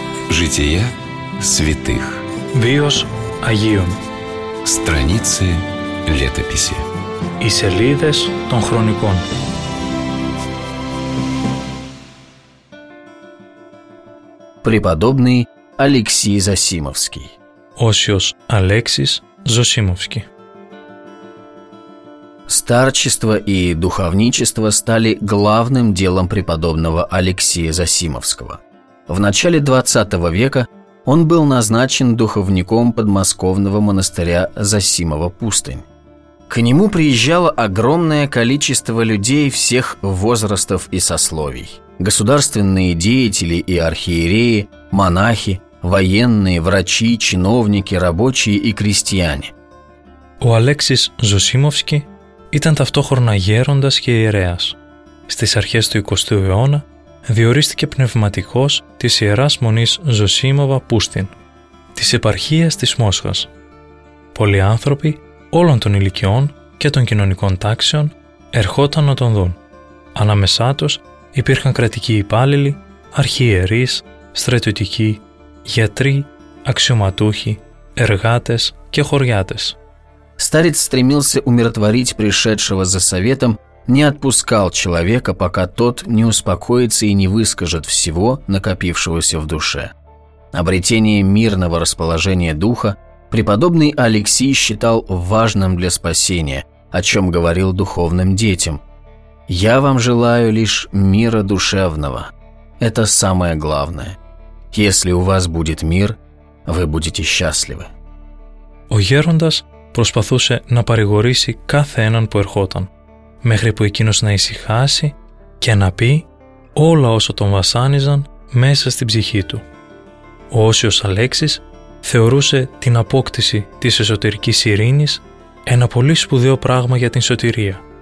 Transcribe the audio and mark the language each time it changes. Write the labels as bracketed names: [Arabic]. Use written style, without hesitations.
[Russian] Жития святых. [Greek] Βίος Αγίων. [Russian] Страницы летописи. [Greek] Οι σελίδες των χρονικών. [Russian] Преподобный Алексей Зосимовский. [Greek] Осиос Алексис Зосимовский. [Russian] Старчество и духовничество стали главным делом преподобного Алексея Зосимовского. В начале 20 века он был назначен духовником подмосковного монастыря Зосимова пустынь. К нему приезжало огромное количество людей всех возрастов и сословий. Государственные деятели и архиереи, монахи, военные, врачи, чиновники, рабочие и крестьяне. [Greek] У Алексис Зосимовски ήταν ταυτόχρονα γέροντας και ιερέας. Στις αρχές του 20ου αιώνα διορίστηκε πνευματικός της Ιεράς Μονής Ζωσίμωβα Πούστιν, της επαρχίας της Μόσχας. Πολλοί άνθρωποι όλων των ηλικιών και των κοινωνικών τάξεων ερχόταν να τον δουν. Ανάμεσά τους υπήρχαν κρατικοί υπάλληλοι, αρχιερείς, στρατιωτικοί, γιατροί, αξιωματούχοι, εργάτες кехорьятес. [Russian] Старец стремился умиротворить пришедшего за советом, не отпускал человека, пока тот не успокоится и не выскажет всего накопившегося в душе. Обретение мирного расположения духа преподобный Алексий считал важным для спасения, о чем говорил духовным детям. «Я вам желаю лишь мира душевного. Это самое главное. Если у вас будет мир, вы будете счастливы». [Greek] О Герундас προσπαθούσε να παρηγορήσει κάθε έναν που ερχόταν, μέχρι που εκείνος να ησυχάσει και να πει όλα όσα τον βασάνιζαν μέσα στην ψυχή του. Ο Όσιος Αλέξης θεωρούσε την απόκτηση της εσωτερικής ειρήνης ένα πολύ σπουδαίο πράγμα για την σωτηρία.